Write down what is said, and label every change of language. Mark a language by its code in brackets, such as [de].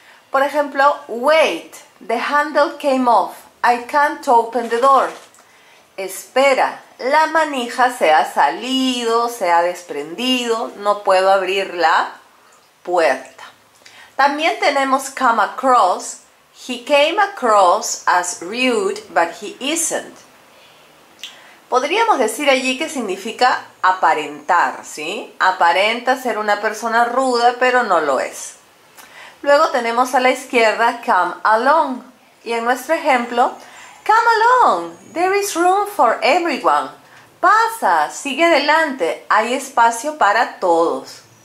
[es] Por ejemplo, [en] wait, the handle came off. I can't open the door. [es] Espera, la manija se ha salido, se ha desprendido, no puedo abrir la puerta. También tenemos come across. [en] He came across as rude, but he isn't. [es] Podríamos decir allí que significa aparentar, ¿sí? Aparenta ser una persona ruda, pero no lo es. Luego tenemos a la izquierda come along. Y en nuestro ejemplo, come along, [en] there is room for everyone. [es] Pasa, sigue adelante, hay espacio para todos.